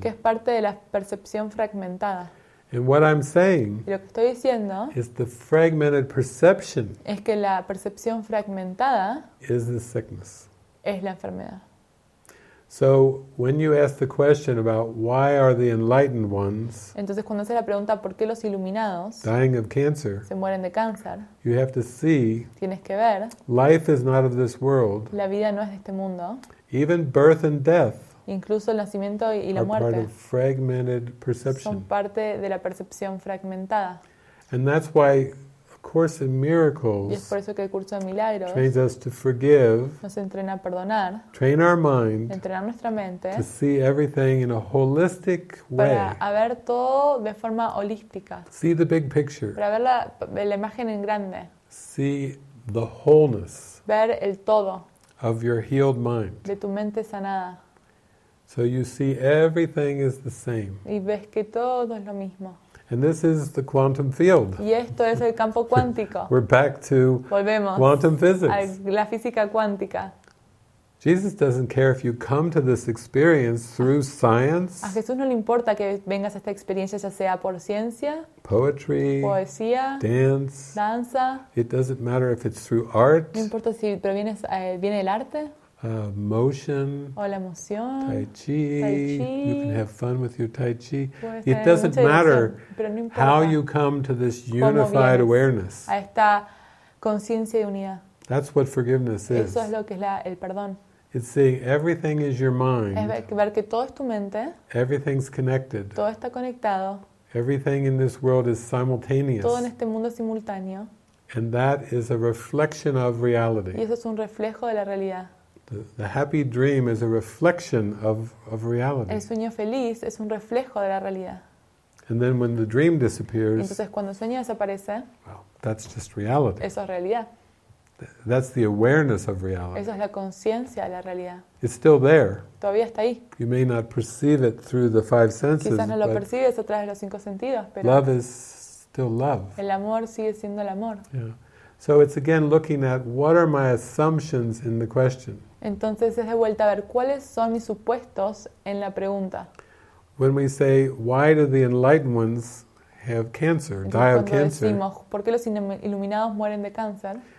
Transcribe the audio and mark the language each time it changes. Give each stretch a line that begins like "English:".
Spanish: Que es parte de la percepción fragmentada.
English: And what I'm saying,
Spanish: lo que estoy diciendo,
English: is the fragmented perception,
Spanish: es que la percepción fragmentada,
English: is the sickness,
Spanish: es la enfermedad.
English: So when you ask the question about why are the enlightened ones,
Spanish: entonces cuando haces la pregunta por qué los iluminados,
English: dying of cancer,
Spanish: se mueren de cáncer,
English: you have to see,
Spanish: tienes que ver,
English: life is not of this world,
Spanish: la vida no es de este mundo,
English: even birth and death,
Spanish: incluso el nacimiento y la muerte,
English: part of fragmented perception,
Spanish: son parte de la percepción fragmentada.
English: And that's why A Course in Miracles,
Spanish: y es por eso que el curso de milagros,
English: trains us to forgive,
Spanish: nos entrena a perdonar,
English: train our mind,
Spanish: entrenar nuestra mente,
English: to see everything in a holistic way,
Spanish: para ver todo de forma holística,
English: see the big picture,
Spanish: para ver la imagen en grande,
English: see the wholeness,
Spanish: ver el todo,
English: of your healed mind.
Spanish: De tu mente sanada.
English: So you see everything is the same.
Spanish: Y ves que todo es lo mismo.
English: And this is the quantum field.
Spanish: Y esto es el campo cuántico.
English: We're back to
Spanish: Volvemos
English: quantum physics.
Spanish: A la física cuántica.
English: Jesus doesn't care if you come to this experience through science.
Spanish: A Jesús no le importa que vengas a esta experiencia ya sea por ciencia,
English: poetry,
Spanish: poesía,
English: dance,
Spanish: danza.
English: It doesn't matter if it's through art.
Spanish: No importa si provienes viene el arte.
English: Motion.
Spanish: O la emoción.
English: Tai chi. You can have fun with your Tai Chi. It doesn't matter how you come to this unified awareness.
Spanish: A esta conciencia de unidad.
English: That's what forgiveness is.
Spanish: Eso es lo que es el perdón.
English: It's seeing everything is your mind.
Spanish: Es ver que todo es tu mente.
English: Everything's connected.
Spanish: Todo está conectado.
English: Everything in this world is simultaneous.
Spanish: Todo en este mundo es simultáneo.
English: And that is a reflection of reality.
Spanish: Y eso es un reflejo de la realidad.
English: The happy dream is a reflection of reality.
Spanish: El sueño feliz es un reflejo de la realidad.
English: And then when the dream disappears,
Spanish: entonces cuando el sueño desaparece,
English: well, that's just reality.
Spanish: Eso es realidad.
English: That's the awareness of reality.
Spanish: Esa es la conciencia de la realidad.
English: It's still there.
Spanish: Todavía está ahí.
English: You may not perceive it through the five senses.
Spanish: Quizás no lo percibes a través de los cinco sentidos, pero
English: love is still love.
Spanish: El amor sigue siendo el amor.
English: Yeah. So it's again looking at what are my assumptions in the question.
Spanish: Entonces es de vuelta a ver cuáles son mis supuestos en la pregunta.
English: When we say why do the enlightened ones have cancer, die of cancer?
Spanish: Decimos, ¿por qué los iluminados mueren de cáncer?